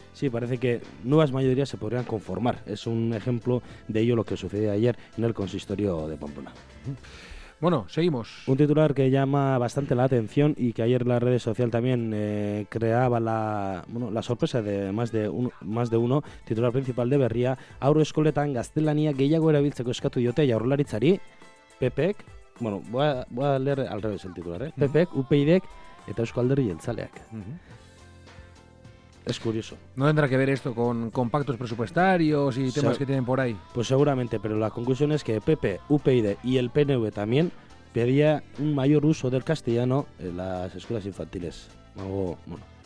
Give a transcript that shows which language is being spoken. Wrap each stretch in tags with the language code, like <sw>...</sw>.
<es>Sí, parece que nuevas mayorías se podrían conformar. Es un ejemplo de ello lo que sucedió ayer en el consistorio de Pamplona. Bueno, seguimos. Un titular que llama bastante la atención y que ayer las redes sociales también creaba la sorpresa de más de uno.</es> <eu>Titular principal de Berria: Aur eskoletan gaztelania gehiago erabiltzeko eskatu diote Jaurlaritzari, PPek.</eu> <es>Bueno, voy a leer al revés el titular, ¿eh?</es> <eu>PPek, UPYdek eta Eusko Alderdi Jeltzaleak.</eu> <es>Uh-huh. Es curioso. ¿No tendrá que ver esto con pactos presupuestarios y temas que tienen por ahí? Pues seguramente, pero la conclusión es que PP, UPyD y el PNV también pedía un mayor uso del castellano en las escuelas infantiles. Algo, bueno.</es>